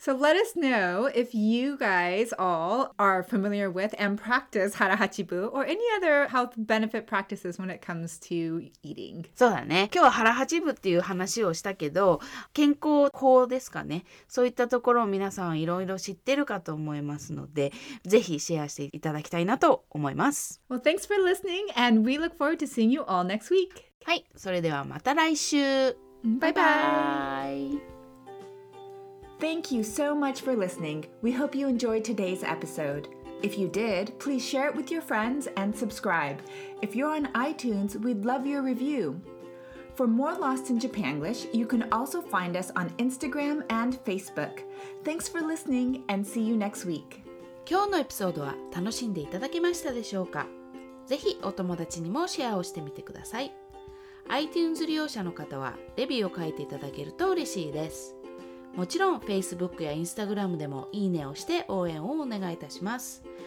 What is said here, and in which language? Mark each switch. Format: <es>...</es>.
<en>So let us know if you guys all are familiar with and practice hara hachibu or any other health benefit practices when it comes to eating.</en> <ja>そうだね。今日はhara hachibuっていう話をしたけど、健康法ですかね。そういったところを皆さんいろいろ知ってるかと思いますので、ぜひシェアしていただきたいなと思います。</ja> <en>Well, thanks for listening, and we look forward to seeing you all next week.</en> <ja>はい、それではまた来週。</ja> <en>バイバイ。 Thank you so much for listening. We hope you enjoyed today's episode. If you did, please share it with your friends and subscribe. If you're on iTunes, we'd love your review. For more Lost in Japanglish, you can also find us on Instagram and Facebook. Thanks for listening and see you next week.</en> <ja>今日のエピソードは楽しんでいただけましたでしょうか。ぜひお友達にもシェアをしてみてください。 iTunes 利用者の方はレビューを書いていただけると嬉しいです。もちろん Facebook や Instagram でもいいねをして応援をお願いいたします。</ja>